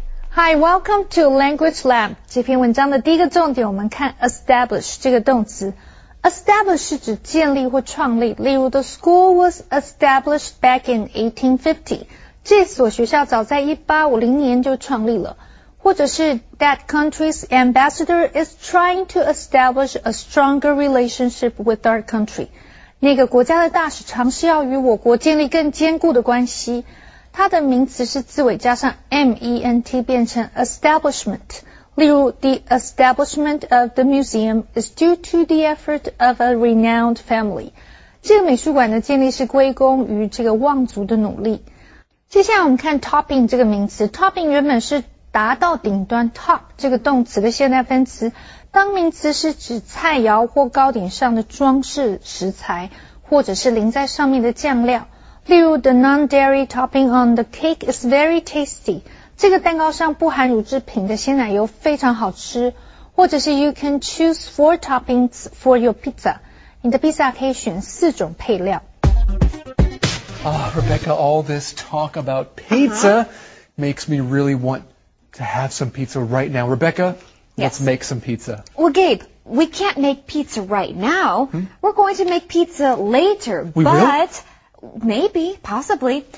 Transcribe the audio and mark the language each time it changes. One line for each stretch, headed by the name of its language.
English: Hi, welcome to Language Lab.
Chinese: 这篇文章的第一个重点我们看 establish 这个动词。
English: Establish
Chinese: 是指建立或创立，例如
English: the school was established back in 1850.
Chinese: 这所学校早在1850年就创立了。或者是
English: that country's ambassador is trying to establish a stronger relationship with our country.
Chinese: 那个国家的大使尝试要与我国建立更坚固的关系。它的名词是字尾加上 ment 变成 establishment.
English: 例如 the establishment of the museum is due to the effort of a renowned family.
Chinese: 这个美术馆的建立是归功于这个望族的努力。接下来我们看 topping 这个名词。topping 原本是达到顶端 top 这个动词的现代分词。当名词是指菜肴或糕点上的装饰食材或者是淋在上面的酱料。
English: 例如 the non-dairy topping on the cake is very tasty.
Chinese: 这个蛋糕上不含乳制品的鲜奶油非常好吃。
English: 或者是 you can choose four toppings for your pizza.
Chinese: 你的披萨可以选四种配料。
English: Rebecca, all this talk about pizza makes me really want to have some pizza right now. Rebecca, let's make some pizza. Well, Gabe, we can't make pizza right now. We're going to make pizza later. Maybe, possibly.